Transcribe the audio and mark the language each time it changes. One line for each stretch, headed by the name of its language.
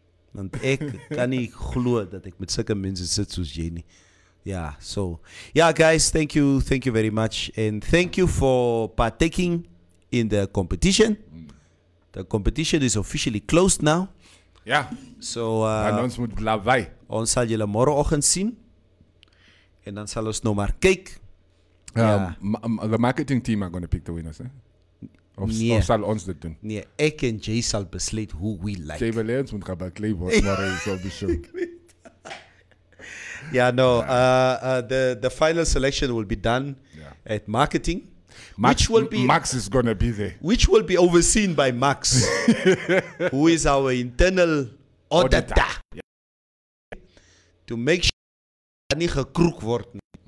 Afrikaans: Want ek kan nie glo dat ek met sulke mense sit soos jy nie.
English: Yeah, so. Yeah, guys, thank you. Thank you very much. And thank you for partaking in the competition. The competition is officially closed now. Yeah. So
Afrikaans: and ons moet blawai. Ons sal julle môre oggend sien. En dan sal ons nou maar kyk.
English: The marketing team are going to pick the winners, eh?
Afrikaans: Of sal ons dit doen? Nee, ek en Jay sal besluit
English: who we like.
Afrikaans: Jay wil ons moet gaan baklei vir môre se show.
English: Yeah, no. The final selection will be done at marketing. Max is going to be there. Which will be overseen by Max, who is our internal auditor. To make sure
Afrikaans: nie gekroek word nie.